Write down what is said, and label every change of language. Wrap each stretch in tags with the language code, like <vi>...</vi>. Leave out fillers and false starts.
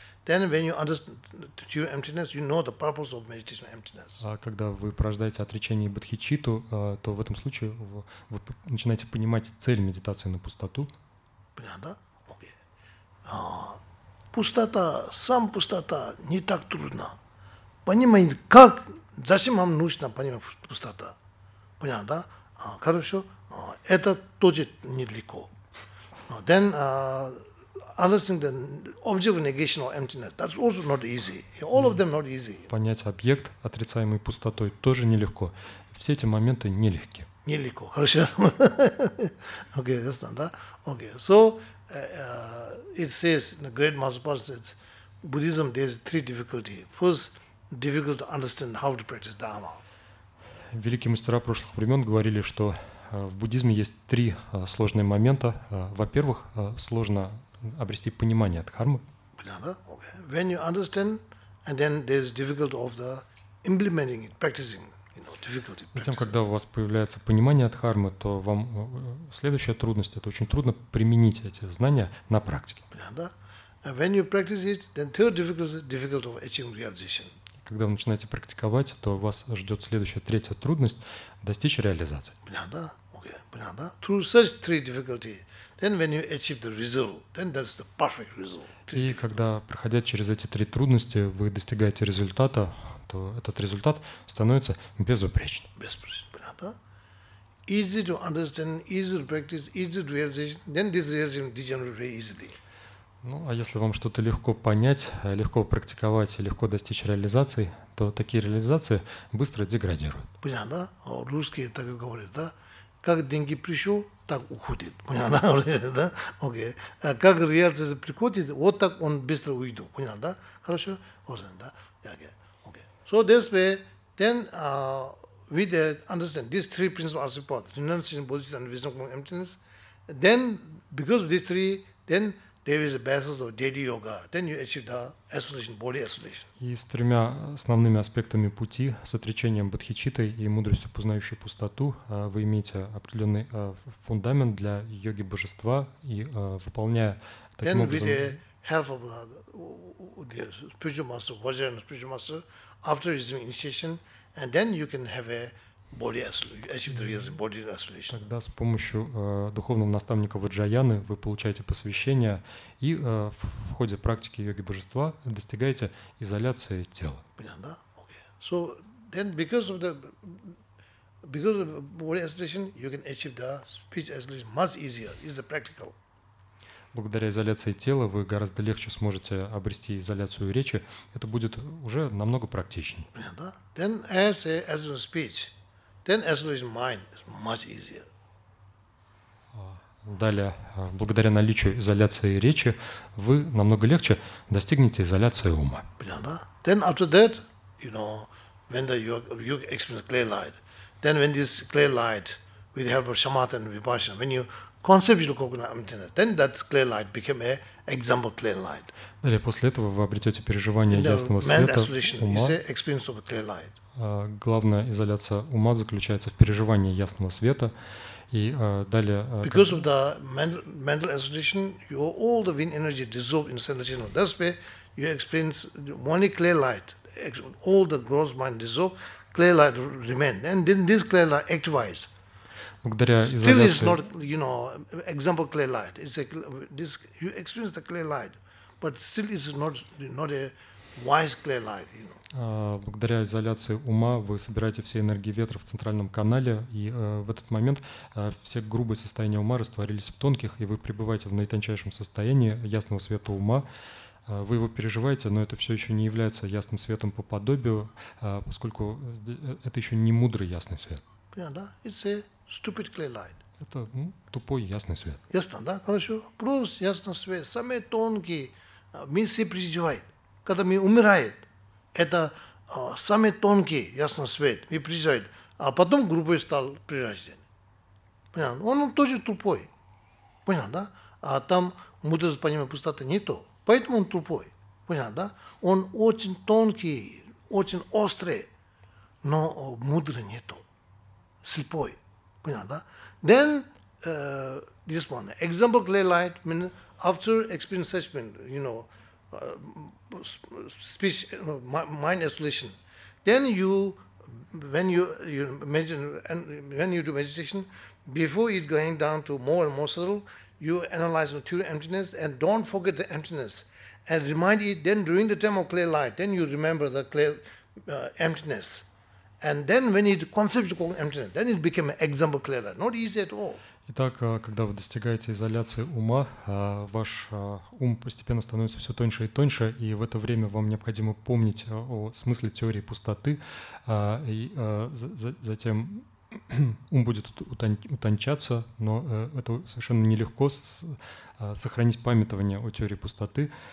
<en>Then when you understand the true emptiness, you know the purpose of meditation emptiness.</en> <ru>А когда вы порождаете отречение бодхичитту, то в этом случае вы начинаете понимать цель медитации на пустоту. Понятно? Окей. А пустота, сам пустота не так трудно. Понимаете, как, зачем вам нужно понимать пустота? Понятно, да? А, хорошо. А, это тоже недалеко.</ru> <en>А, then, understanding the object of negation or emptiness, that's also not easy. All of them not easy.</en> <ru>Понять объект, отрицаемый пустотой, тоже нелегко. Все эти моменты нелегки. Нелегко. Хорошо. Окей, ясно, да? Окей.</ru> <en>So, it says, the great master says, in Buddhism, there's three difficulties. First, difficult to understand how to practice Dharma.</en> <ru>Великие мастера прошлых времен говорили, что в буддизме есть три сложные момента. Во-первых, сложно обрести понимание дхармы. Понятно? Okay.</ru> <en>When you understand, and then there's difficulty of the implementing it, practicing, you know, difficulty. Practicing.</en> <ru>Затем, когда у вас появляется понимание дхармы, то вам следующая трудность — это очень трудно применить эти знания на практике. Понятно?</ru> <en>And when you practice it, then third difficulty, difficulty of achieving realization.</en> <ru>Когда вы начинаете практиковать, то вас ждет следующая, третья трудность — достичь реализации. Понятно? Окей, понятно?</ru> <en>Through such three difficulties, then when you achieve the result, then that's the perfect result.</en> <ru>И когда, проходя через эти три трудности, вы достигаете результата, то этот результат становится безупречным. Безупречным, понятно?</ru> <en>Easy to understand, easy to practice, easy to realization, then this realization degenerates very easily.</en> <ru>Ну, а если вам что-то легко понять, легко практиковать, легко достичь реализации, то такие реализации быстро деградируют. Понятно, да? Русские так и говорят, да? Как деньги пришел, так уходит. Понятно, да? Окей. А как реализация приходит, вот так он быстро уйдет. Понятно, да? Хорошо? Окей.</ru> <en>So this way, then we understand these three principles as support, renunciation, bodhicitta, and wisdom from emptiness. Then, because of these three, then there is a basis of daily yoga. Then you achieve the association, body association.</en> <ru>И с тремя основными аспектами пути, с отречением бодхичиттой и мудростью, познающей пустоту, вы имеете определенный фундамент для йоги божества, и выполняя таким</ru> <en>then</en> <ru>образом...</ru> <en>Then with the help of the spiritual master, Vajrayana spiritual master, after receiving initiation, and then you can have a body isolation, body isolation.</en> <ru>Тогда с помощью духовного наставника Ваджаяны вы получаете посвящение и в ходе практики йоги божества достигаете изоляции тела. Понятно, да? Okay.</ru> <en>So then because of body isolation, you can achieve the speech isolation much easier. Is the practical.</en> <ru>Благодаря изоляции тела вы гораздо легче сможете обрести изоляцию речи. Это будет уже намного практичнее. Понятно, да?</ru> <en>Then as a speech. Then isolation mind is much easier.</en> <ru>Далее, благодаря наличию изоляции речи, вы намного легче достигнете изоляции ума. Понятно, да?</ru> <en>Then after that, you know, when the you experience clear light, then when this clear light, with the help of samatha and vipassana, when you conceptually cognize emptiness, then that clear light became a example clear light.</en> <ru>Далее, после этого вы обретете переживание ясного света ума.</ru> <en>Is the experience of a clear light.</en> <ru>Главная изоляция ума заключается в переживании ясного света. И далее...</ru> <en>Because of the mental isolation, all the wind energy dissolved in the center channel. That's why you experience only clear light. All the gross mind dissolved, clear light remained. And then this clear light activates.</en> <ru>Благодаря</ru> <en>Still</en> <ru>изоляции...</ru> <en>Still it's not, you know, example clear light. It's a, this, you experience the clear light, but still it's not a... Wise clear light, you know.</en> <ru>Благодаря изоляции ума вы собираете все энергии ветра в центральном канале, и в этот момент все грубые состояния ума растворились в тонких, и вы пребываете в наитончайшем состоянии ясного света ума. Вы его переживаете, но это все еще не является ясным светом по подобию, поскольку это еще не мудрый ясный свет. Понятно, да?</ru> <en>It's a stupid clear light.</en> <ru>Это тупой ясный свет. Ясно, да? Хорошо. Плюс ясный свет, самые тонкие, мы все переживаем. Когда мы умираем, это самый тонкий ясный свет, мы приезжаем, а потом грубой стал при рождении. Понятно? Он тоже тупой. Понятно, да? А там мудрость понимания пустоты не то. Поэтому он тупой. Понятно, да? Он очень тонкий, очень острый, но мудрый не то. Слепой. Понятно, да?</ru> <en>Then, this one. Example clear light, after experience such, you know, speech, mind isolation, then you, when you imagine, and when you do meditation, before it going down to more and more subtle, you analyze the two emptiness and don't forget the emptiness, and remind it. Then during the time of clear light, then you remember the clear emptiness, and then when it conceptual emptiness, then it became example clear light. Not easy at all.</en> <ru>Итак, когда вы достигаете изоляции ума, ваш ум постепенно становится все тоньше и тоньше, и в это время вам необходимо помнить о смысле теории пустоты, и затем ум будет утончаться, но это совершенно нелегко сохранить памятование о теории пустоты.</ru>